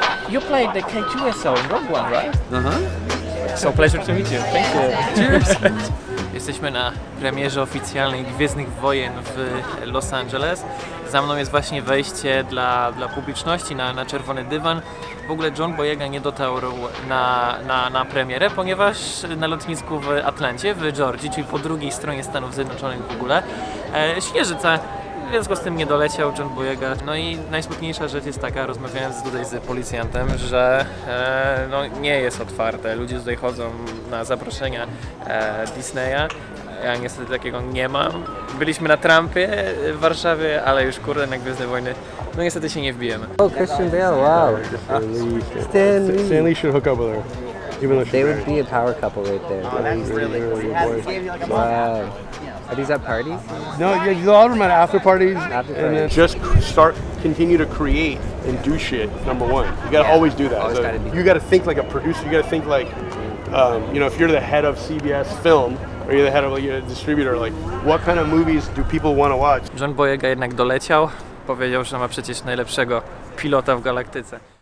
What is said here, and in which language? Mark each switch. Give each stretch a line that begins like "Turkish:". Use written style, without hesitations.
English: You played the K2SO in Rogue One, right? Uh-huh. So pleasure to meet you. Thank you. Cheers.
Polish: Jesteśmy na premierze oficjalnej Gwiezdnych Wojen w Los Angeles. Za mną jest właśnie wejście dla publiczności na Czerwony Dywan. W ogóle John Boyega nie dotarł na premierę, ponieważ na lotnisku w Atlancie, w Georgii, czyli po drugiej stronie Stanów Zjednoczonych w ogóle, śnieżyca. W związku z tym nie doleciał John Boyega. No i najsmutniejsza rzecz jest taka, rozmawiając tutaj z policjantem, że no, nie jest otwarte. Ludzie tutaj chodzą na zaproszenia Disneya. Ja niestety takiego nie mam. Byliśmy na Trumpie w Warszawie, ale już kurde, na Gwiezdne Wojny. No niestety się nie wbijemy.
English: Oh, Christian Bale, wow. Stan Lee should hook up with her. Even though they would be a power couple right there. Oh, that's really cool. Wow. Are these at parties? No, yeah, a lot of them are at after parties. Just start, continue to create and do shit, number one. You gotta always do that. Always so you gotta think like a producer, you gotta think like, you know, if you're the head of CBS film, or you're the head of like, a distributor, like, what kind of movies do people want to watch?
Polish: John Boyega jednak doleciał, powiedział, że ma przecież najlepszego pilota w galaktyce.